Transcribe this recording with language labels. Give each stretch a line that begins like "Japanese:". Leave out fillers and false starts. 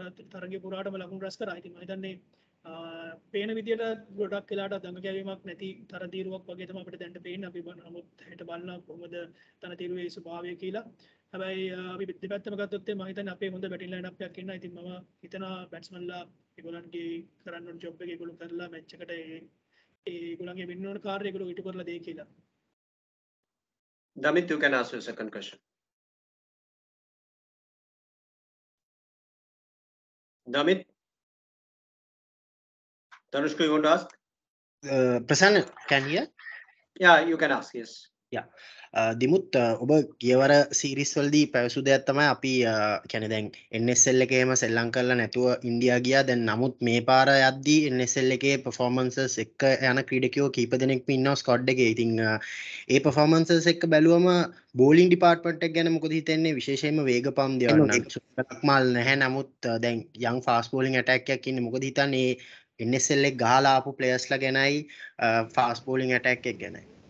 Sinhala: තරගේ පුරාටම ලකුණු රැස් කරා ඉතින් මම හිතන්නේ පේන විදියට ගොඩක් වෙලාට දඟ කැවීමක් නැති තරතිරුවක් වගේ තමයි අපිට දැන්ට පේන්නේ අපි නමුත් හෙට බලන කොහොමද තනතිරුවේ ස්වභාවය කියලා හැබැයි අපි දෙපැත්තම ගත්තොත් මම හිතන්නේ අපේ හොඳ බැටින් ලයින් අප් එකක් ඉන්නා ඉතින් මම හිතනවා බැට්ස්මන්ලා ඒගොල්ලන්ගේ කරන්න ඕන ජොබ් එක ඒගොල්ලෝ කරලා මැච් එකට ඒගොල්ලන්ගේ වෙන්න ඕන කාර්යය ඒගොල්ලෝ ඉටු කරලා දෙයි කියලා
English: Damith you can ask your second question Damith Danushka, you want to ask? Prasanna, can you hear? Yeah, you can ask, yes. Yeah.
Sinhala: Dimuth ඔබ ගියවර සීරිස් වලදී පැවසු දෙයක් තමයි අපි කියන්නේ දැන් NSL එකේම සෙල්ලම් කරලා නැතුව ඉන්දියා ගියා දැන් නමුත් මේ පාර යද්දී NSL එකේ පර්ෆෝමන්සස් එක්ක යන ක්‍රීඩකයෝ කීප දෙනෙක් ඉන්නවා ස්කොඩ් එකේ ඉතින් ඒ පර්ෆෝමන්සස් එක්ක බැලුවම බෝලින් ඩිපාර්ට්මන්ට් එක ගැන මොකද හිතන්නේ විශේෂයෙන්ම වේගපම් දේවල් නැක්මල් නැහැ නමුත් දැන් යන් ෆාස්ට් බෝලින් ඇටැක් එකක් ඉන්නේ මොකද හිතන්නේ NSL එක ගහලා ආපු ප්ලේයර්ස්ලා ගැනයි ෆාස්ට් බෝලින් ඇටැක් එක ගැන